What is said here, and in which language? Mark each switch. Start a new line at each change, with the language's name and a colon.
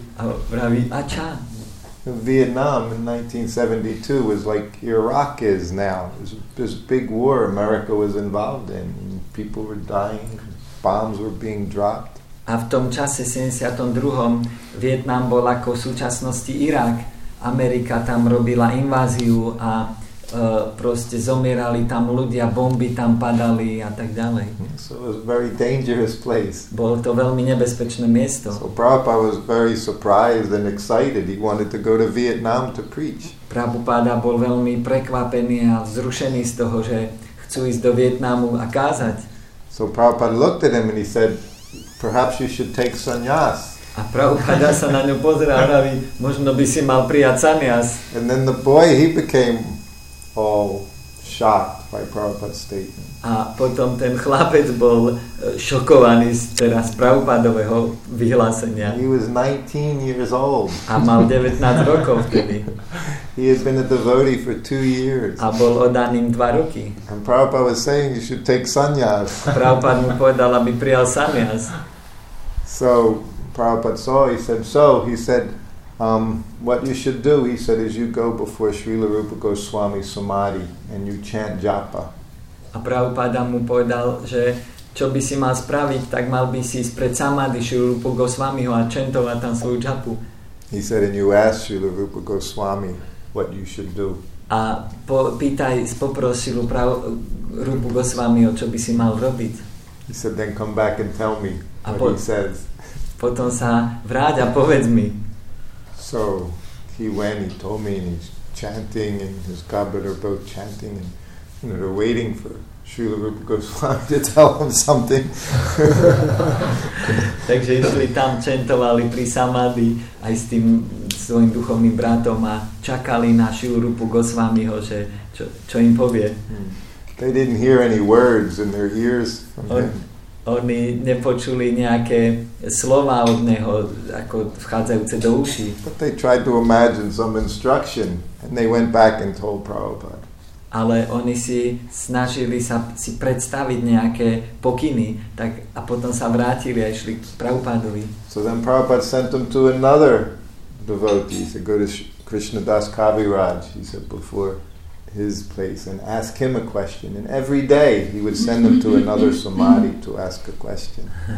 Slovak: A praví, ača.
English: Vietnam in 1972 was like Iraq is now. It was this big war America was involved in. People were dying, bombs were being dropped.
Slovak: A v tom čase 72. Vietnam bol ako v súčasnosti Irak. Amerika tam robila inváziu a proste zomierali tam ľudia, bomby tam padali a tak ďalej.
English: So it was a very dangerous place.
Slovak: Bol to veľmi nebezpečné miesto.
English: So Prabhupada was very surprised and excited. He wanted to go to Vietnam to preach.
Slovak: Prabhupada bol veľmi prekvapený a vzrušený z toho, že chcú ísť do Vietnamu a kázať.
English: So Prabhupada looked at him and he said, perhaps you should take sannyas.
Slovak: A Prabhupada sa na ňu pozeral a hovorí, možno by si mal prijať sannyas.
English: And then the boy, he became all shocked by Prabhupada's statement.
Slovak: A potom ten chlapec bol šokovaný z teraz Prabhupadového vyhlásenia.
English: He was 19 years old.
Slovak: A mal 19 rokov vtedy.
English: He had been a devotee for 2 years.
Slovak: A bol oddaným 2 roky.
English: And Prabhupada was saying you should take sannyas.
Slovak: Prabhupada mu povedal, aby prijal sannyas.
English: So Prabhupada saw, he said, so, he said, what you should do, he said, is you go before Srila Rupa Goswami Samadhi and you chant japa.
Slovak: A Prabhupada mu povedal, že čo by si mal spraviť, tak mal by si ísť pred Samadhi Srila Rupa Goswamiho a čentovať tam svoju japu.
English: He said, and you ask Srila Rupa Goswami what you should do.
Slovak: A poprosil Rupa Goswamiho, čo by si mal robiť.
English: He said, then come back and tell me what he says.
Slovak: Potom sa vráť a povedz mi.
English: So he went, he told me, and he's chanting, and his godbrother both chanting, and you know, they're waiting for Srila Rupa Goswami to tell him something.
Slovak: Takže išli tam, čentovali pri samadhi aj s tým svojim duchovným bratom a čakali na Srila Rupu Goswamiho, že čo im povie.
English: They didn't hear any words in their ears from him.
Slovak: Oni nepočuli nejaké slova od neho, ako vchádzajúce do uší.
English: But they tried to imagine some instruction and they went back and told Prabhupada.
Slovak: Ale oni si snažili sa si predstaviť nejaké pokyny, tak a potom sa vrátili a išli k Prabhupadovi.
English: So then Prabhupada sent them to another devotee, he said, go to Krishnadas Kaviraj, he said, before his place and ask him a question, and every day he would send them to another samadhi to ask a question.